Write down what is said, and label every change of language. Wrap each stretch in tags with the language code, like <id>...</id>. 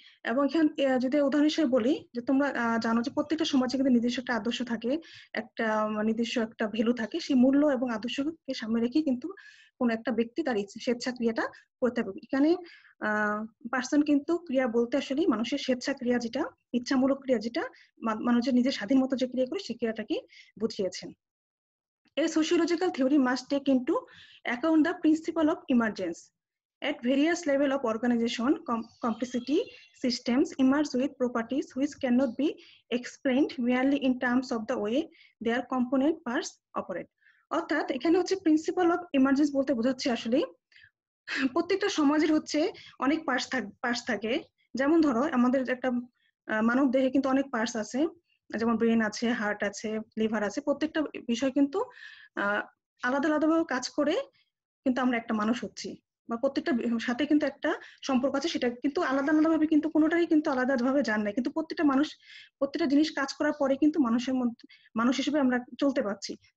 <bn>এবং এখান যদি উদাহরণ হিসেবে বলি যে তোমরা জানো যে প্রত্যেকটা সমাজে কিন্তু নির্দিষ্ট একটা আদর্শ থাকে একটা নির্দিষ্ট একটা ভ্যালু থাকে সেই মূল্য এবং আদর্শকে সামনে রেখে কিন্তু কোন একটা ব্যক্তি তার স্বেচ্ছাক্রিয়াটা করতে পারবে। এখানে পার্সন কিন্তু ক্রিয়া বলতে আসলে মানুষের স্বেচ্ছাক্রিয়া যেটা ইচ্ছামূলক ক্রিয়া যেটা মানুষের নিজের স্বাধীন মতো যে ক্রিয়া করে সেই ক্রিয়াটাকে বুঝিয়েছেন।</bn> <en>এই sociological theory must take into account the principle of emergence at various level of organization complexity systems emerge with properties which cannot be explained merely in terms of the way their component parts operate।</en> <bn>অর্থাৎ এখানে হচ্ছে principal of emergence বলতে বোঝাচ্ছে আসলে প্রত্যেকটা সমাজের হচ্ছে অনেক পার্টস থাকে। যেমন ধরো আমাদের একটা মানব দেহে কিন্তু অনেক পার্টস আছে যেমন ব্রেন আছে হার্ট আছে লিভার আছে প্রত্যেকটা বিষয় কিন্তু আলাদা আলাদাভাবে কাজ করে কিন্তু আমরা একটা মানুষ হচ্ছি বা প্রত্যেকটা সাথে কিন্তু একটা সম্পর্ক আছে সেটা কিন্তু আলাদা আলাদা ভাবে কিন্তু কোনোটাই কিন্তু আলাদা ভাবে জান নাই কিন্তু প্রত্যেকটা মানুষ প্রত্যেকটা জিনিস কাজ করার পরে কিন্তু মানুষের মধ্যে মানুষ হিসেবে আমরা চলতে পারছি।</bn>